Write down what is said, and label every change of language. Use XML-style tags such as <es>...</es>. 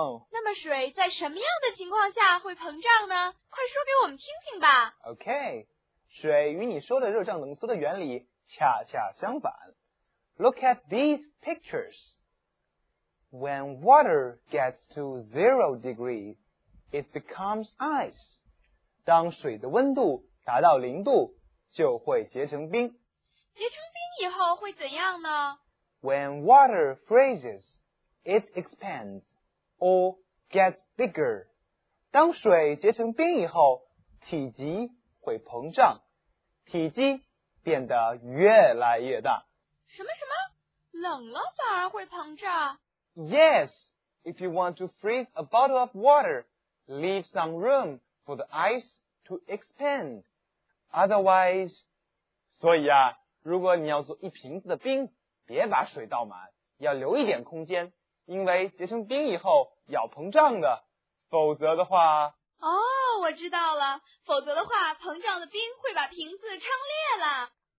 <zh>那么水在什么样的情况下会膨胀呢？快说给我们听听吧。 OK, 水与你说的热胀冷缩的原理恰恰相反。</zh> <en>Look at these pictures. When water gets to 0 degrees, it becomes ice.</en> <zh>当水的温度达到零度，就会结成冰。结成冰以后会怎样呢？</zh> <en>When water freezes, it expands or gets bigger.</en> <zh>当水结成冰以后，体积会膨胀，体积变得越来越大。什么什么？冷了反而会膨胀？</zh> <en>Yes, if you want to freeze a bottle of water, leave some room for the ice to expand.</en> <zh>Otherwise, 所以啊，如果你要做一瓶子的冰，别把水倒满，要留一点空间，因为结成冰以后要膨胀的，否则的话。哦，我知道了，否则的话，膨胀的冰会把瓶子撑裂了。</zh>